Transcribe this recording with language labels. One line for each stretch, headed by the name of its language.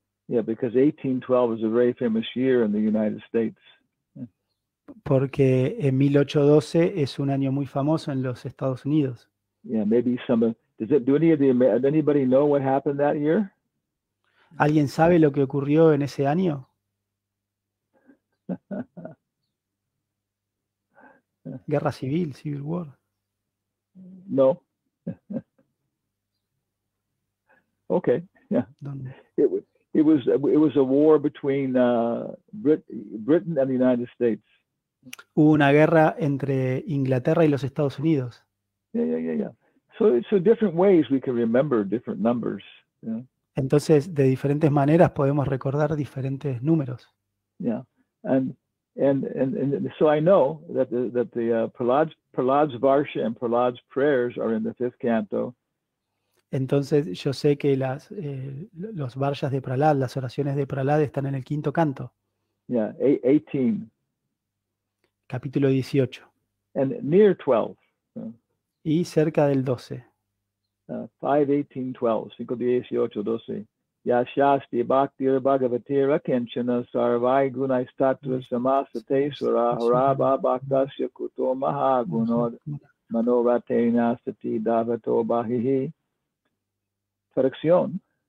English: Yeah, because 1812 is a very famous year in the United States.
Spanish: Porque en 1812 es un año muy famoso en los Estados Unidos.
English: Yeah, maybe some. Does anybody know what happened that year?
Spanish: ¿Alguien sabe lo que ocurrió en ese año? Guerra civil,
English: civil war.
Spanish: No.
English: Okay. Yeah.
Spanish: ¿Dónde?
English: It was a war between Britain and the United States.
Spanish: Hubo una guerra entre Inglaterra y los Estados Unidos.
English: Yeah. So different ways we can remember different numbers. Yeah.
Spanish: Entonces, de diferentes maneras podemos recordar diferentes números.
English: Yeah. And so I know that the Prahlad's Varsha and Prahlad's prayers are in the fifth canto.
Spanish: Entonces yo sé que los Varshas de Prahlad, las oraciones de Prahlad están en el quinto canto.
English: Yeah, 18.
Spanish: Capítulo 18.
English: And near 12.
Spanish: Y cerca del 12.
Sanskrit: 5:18-12. Yashasti Bhaktir Bhagavati Rakenchana Sarvai Gunai Statva Samasate Sura Haraba Bhaktasya Kuto Mahagunod Manorate Nasati Davato Bahihi.
Spanish: Perfección.